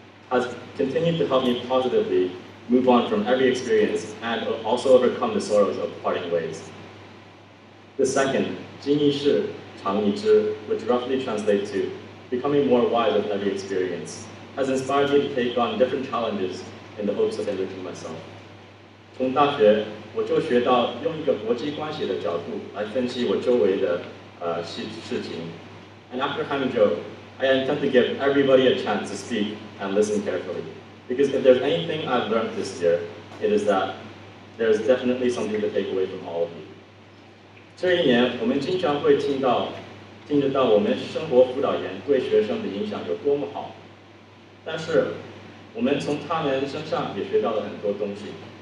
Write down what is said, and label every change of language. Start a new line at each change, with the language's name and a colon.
English: Has continued to help me positively move on from every experience and also overcome the sorrows of parting ways. The second,
Chinese: 经历是长一智,
English: which roughly translates to becoming more wise with every experience, has inspired me to take on different challenges in the hopes of enriching myself.
Chinese: 从大学，我就学到用一个国际关系的角度来分析我周围的事情。
English: And after Hangzhou, I intend to give everybody a chance to speak and listen carefully. Because if there's anything I've learned this year, it is that there's definitely something to take away from all of you.
Chinese: 这一年，我们经常会听到 听得到我们生活辅导员对学生的影响有多么好，但是我们从他们身上也学到了很多东西。